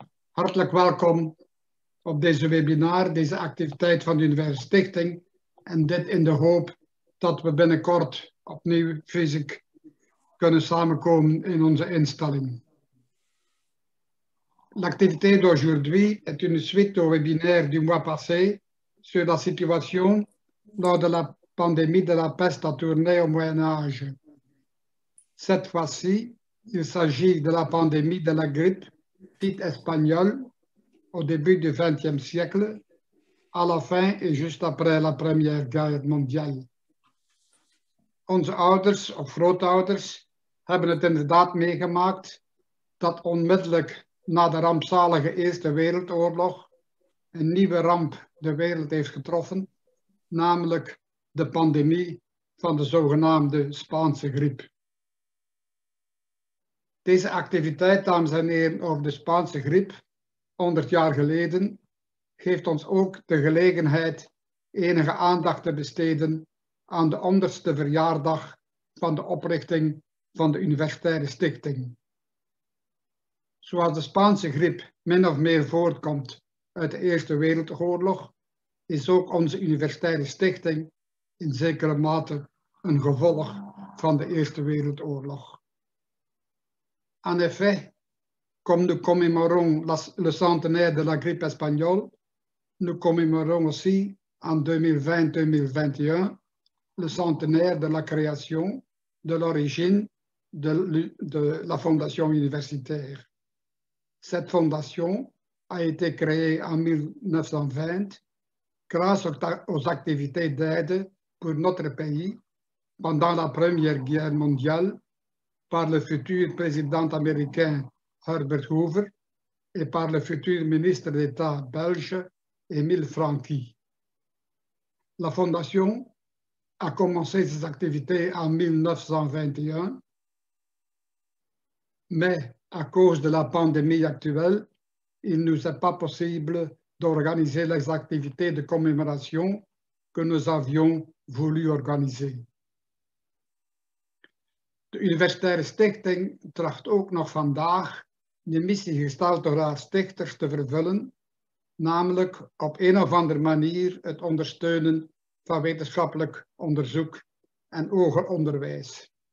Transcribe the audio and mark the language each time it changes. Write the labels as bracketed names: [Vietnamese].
[Dutch] Hartelijk welkom op deze webinar, deze activiteit van de Universele Stichting. En dit in de hoop dat we binnenkort opnieuw fysiek kunnen samenkomen in onze instelling. [French] L'activité d'aujourd'hui est une suite au webinaire du mois passé sur la situation lors de la pandémie de la peste à tourner au Moyen-Âge. Cette fois-ci, il s'agit de la pandémie de la grippe dite espagnole au début du XXe siècle, à la fin et juste après la Première Guerre mondiale. [Dutch] Onze ouders of grootouders hebben het inderdaad meegemaakt dat onmiddellijk na de rampzalige Eerste Wereldoorlog een nieuwe ramp de wereld heeft getroffen, namelijk de pandemie van de zogenaamde Spaanse griep. Deze activiteit, dames en heren, over de Spaanse griep, 100 jaar geleden, geeft ons ook de gelegenheid enige aandacht te besteden aan de 100ste verjaardag van de oprichting van de Universitaire Stichting. Zoals de Spaanse griep min of meer voortkomt uit de Eerste Wereldoorlog, is ook onze Universitaire Stichting in zekere mate een gevolg van de Eerste Wereldoorlog. [French] En effet, comme nous commémorons le centenaire de la grippe espagnole, nous commémorons aussi en 2020-2021 le centenaire de la création de l'origine de la fondation universitaire. Cette fondation a été créée en 1920 grâce aux activités d'aide pour notre pays pendant la Première Guerre mondiale par le futur président américain Herbert Hoover et par le futur ministre d'État belge Émile Francky. La Fondation a commencé ses activités en 1921, mais à cause de la pandémie actuelle, il ne nous est pas possible d'organiser les activités de commémoration que nous avions voulu organiser. [Dutch] De Universitaire Stichting tracht ook nog vandaag de missie gesteld door haar stichters te vervullen, namelijk op een of andere manier het ondersteunen van wetenschappelijk onderzoek en hoger onderwijs.